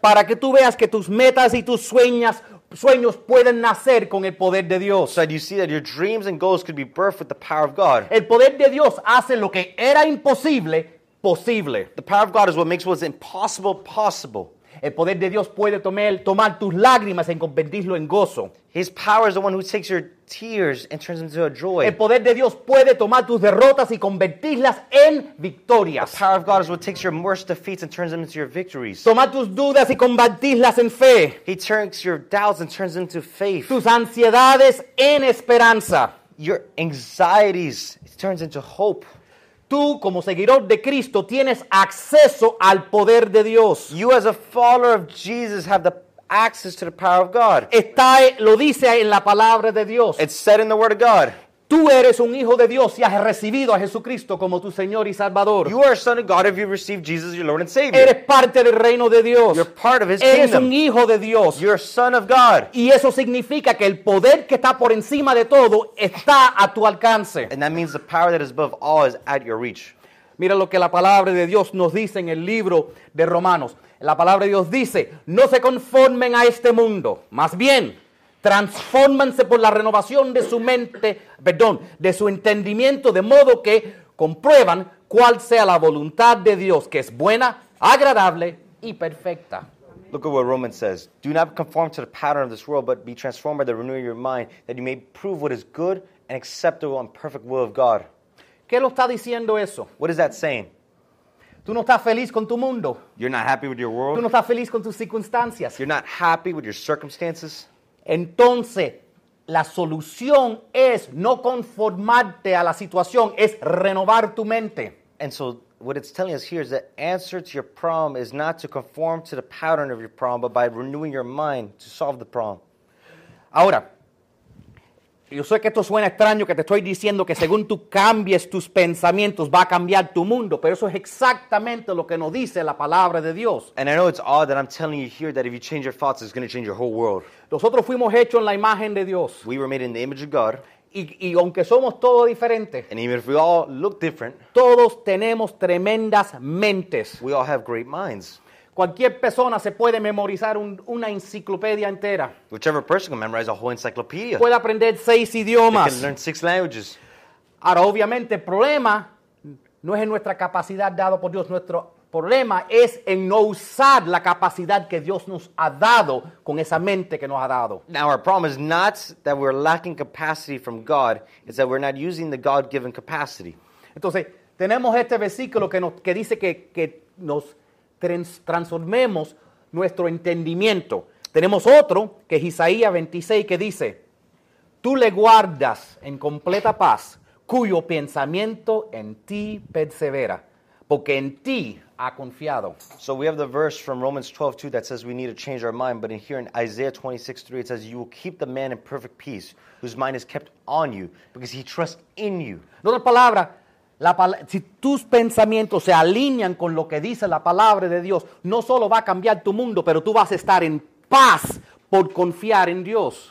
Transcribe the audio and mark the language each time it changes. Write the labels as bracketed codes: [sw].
[es] Para que tú veas que tus metas y tus sueños pueden nacer con el poder de Dios. [en] So you see that your dreams and goals could be birthed with the power of God. [es] El poder de Dios hace lo que era imposible posible. [en] The power of God is what makes what's impossible possible. [es] El poder de Dios puede tomar tus lágrimas y convertirlo en gozo. [en] His power is the one who takes your tears and turns them into a joy. [es] El poder de Dios puede tomar tus derrotas y convertirlas en victorias. [en] The power of God is what takes your worst defeats and turns them into your victories. [es] Tomar tus dudas y convertirlas en fe. [en] He turns your doubts and turns them into faith. [es] Tus ansiedades en esperanza. [en] Your anxieties turns into hope. [es] Tú, como seguidor de Cristo, tienes acceso al poder de Dios. [en] You, as a follower of Jesus, have the access to the power of God. [es] Está, lo dice en la palabra de Dios. [en] It's said in the word of God. [es] Tú eres un hijo de Dios y has recibido a Jesucristo como tu Señor y Salvador. [en] You are a son of God if you receive Jesus as your Lord and Savior. [es] Eres parte del reino de Dios. [en] You're part of his [es] eres [en] kingdom. [es] Eres un hijo de Dios. [en] You're a son of God. [es] Y eso significa que el poder que está por encima de todo está a tu alcance. [en] And that means the power that is above all is at your reach. [es] Mira lo que la palabra de Dios nos dice en el libro de Romanos. La palabra de Dios dice, no se conformen a este mundo. Más bien, transfórmanse por la renovación de su mente, perdón, de su entendimiento, de modo que comprueban cuál sea la voluntad de Dios, que es buena, agradable y perfecta. [en] Look at what Romans says. Do not conform to the pattern of this world, but be transformed by the renewing of your mind, that you may prove what is good and acceptable and perfect will of God. [es] ¿Qué lo está diciendo eso? [en] What is that saying? [es] Tú no estás feliz con tu mundo. [en] You're not happy with your world. [es] Tú no estás feliz con tus circunstancias. [en] You're not happy with your circumstances. [es] Entonces, la solución es no conformarte a la situación, es renovar tu mente. [en] And so, what it's telling us here is the answer to your problem is not to conform to the pattern of your problem, but by renewing your mind to solve the problem. [es] Ahora, yo sé que esto suena extraño, que te estoy diciendo que según tú cambies tus pensamientos, va a cambiar tu mundo. Pero eso es exactamente lo que nos dice la palabra de Dios. [en] And I know it's odd that I'm telling you here that if you change your thoughts, it's going to change your whole world. [es] Nosotros fuimos hechos en la imagen de Dios. [en] We were made in the image of God. [es] Y aunque somos todos diferentes. [en] And even if we all look different. [es] Todos tenemos tremendas mentes. [en] We all have great minds. [es] Cualquier persona se puede memorizar una enciclopedia entera. [en] Whichever person can memorize a whole encyclopedia. [es] Puede aprender 6 idiomas. [en] They can learn 6 languages. [es] Ahora, obviamente, el problema no es en nuestra capacidad dado por Dios. Nuestro problema es en no usar la capacidad que Dios nos ha dado con esa mente que nos ha dado. [en] Now, our problem is not that we're lacking capacity from God. It's that we're not using the God-given capacity. [es] Entonces, tenemos este versículo que dice que nos transformemos nuestro entendimiento. Tenemos otro, que es Isaías 26, que dice, tú le guardas en completa paz, cuyo pensamiento en ti persevera, porque en ti ha confiado. [en] So we have the verse from Romans 12:2 that says we need to change our mind, but in here in Isaiah 26:3 it says, you will keep the man in perfect peace, whose mind is kept on you, because he trusts in you. [es] En otras palabras, si tus pensamientos se alinean con lo que dice la palabra de Dios, no solo va a cambiar tu mundo, pero tú vas a estar en paz por confiar en Dios.